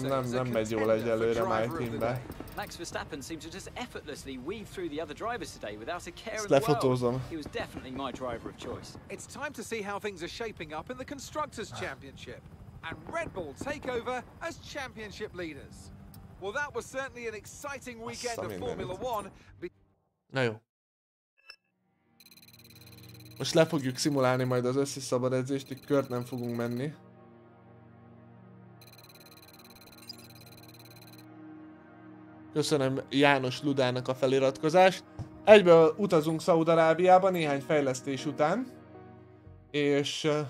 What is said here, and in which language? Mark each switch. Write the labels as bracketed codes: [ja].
[hu] Nem megy jól egyelőre my teambe. [en] Max Verstappen seemed to just effortlessly weave through the other drivers today without a care in the world. He was definitely my driver of choice. It's time to see how things are shaping up in the Constructors' Championship. And Red Bull take over as championship leaders. Well, that was certainly an exciting weekend of Formula 1. [hu] Na jó. Most le fogjuk szimulálni majd az összes szabad edzést, így kört nem fogunk menni. Köszönöm János Ludának a feliratkozást. Egyből utazunk Szaúd-Arábiába néhány fejlesztés után. És...